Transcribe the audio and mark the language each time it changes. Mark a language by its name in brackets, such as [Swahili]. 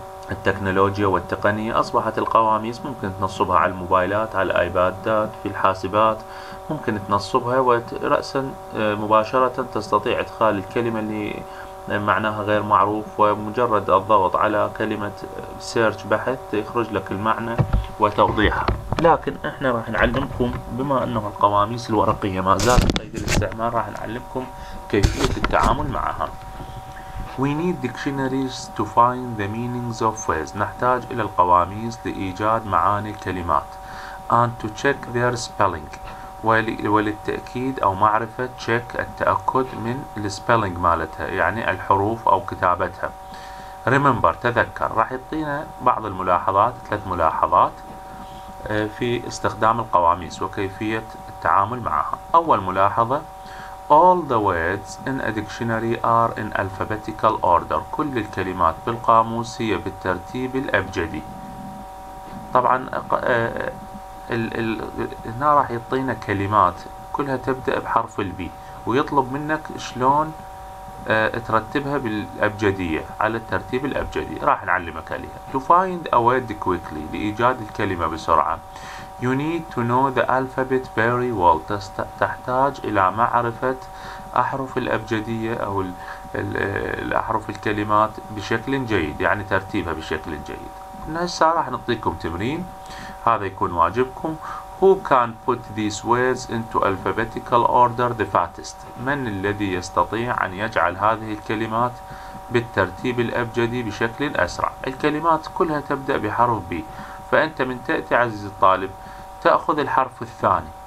[Arabic] التكنولوجيا والتقنية أصبحت القواميس ممكن تنصبها على الموبايلات، على الآيبادات، في الحاسبات ممكن تنصبها، ورأسا مباشرة تستطيع إدخال الكلمة اللي معناها غير معروف، ومجرد الضغط على كلمة سيرش بحث يخرج لك المعنى وتوضيحها. لكن احنا راح نعلمكم، بما انه القواميس الورقية ما زالت قيد الاستعمال، راح نعلمكم كيفية التعامل معها. [English] We need dictionaries to find the meanings of words. [Arabic] نحتاج إلى القواميس لإيجاد معاني الكلمات. [English] And to check their spelling. [Arabic] وللتأكيد أو معرفة check التأكد من spelling مالتها، يعني الحروف أو كتابتها. Remember، تذكر، راح يعطينا بعض الملاحظات، ثلاث ملاحظات في استخدام القواميس وكيفية التعامل معها. أول ملاحظة: [English] All the words in a dictionary are in alphabetical order. [Arabic] كل الكلمات بالقاموس هي بالترتيب الأبجدي. طبعا هنا راح يعطينا كلمات كلها تبدأ بحرف البي، ويطلب منك شلون ترتبها بالأبجدية، على الترتيب الأبجدي. راح نعلمك عليها. [English] To find a word quickly، [Arabic] لإيجاد الكلمة بسرعة. [English] You need to know the alphabet very well. [Arabic] تحتاج إلى معرفة أحرف الأبجدية أو الأحرف الكلمات بشكل جيد، يعني ترتيبها بشكل جيد. هسه راح نعطيكم تمرين، هذا يكون واجبكم. [English] Who can put these words into alphabetical order the fastest؟ [Arabic] من الذي يستطيع أن يجعل هذه الكلمات بالترتيب الأبجدي بشكل أسرع؟ الكلمات كلها تبدأ بحرف B، فأنت من تأتي عزيزي الطالب تأخذ الحرف الثاني.